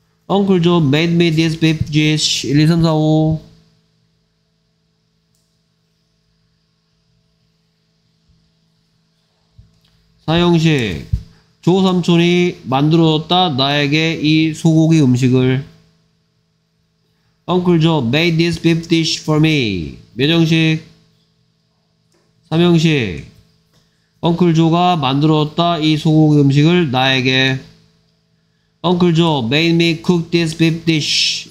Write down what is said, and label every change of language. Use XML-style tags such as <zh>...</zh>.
<en>Uncle Joe made me this beef dish. 1, 2, 3, 4, 5.</en> <ko>사형식. 조삼촌이 만들었다. 나에게 이 소고기 음식을.</ko> <en>Uncle Joe made this beef dish for me.</en> <ko>명형식. 삼형식. 엉클 조가 만들었다 이 소고기 음식을 나에게.</ko> <en>엉클 조 made me cook this beef dish.</en>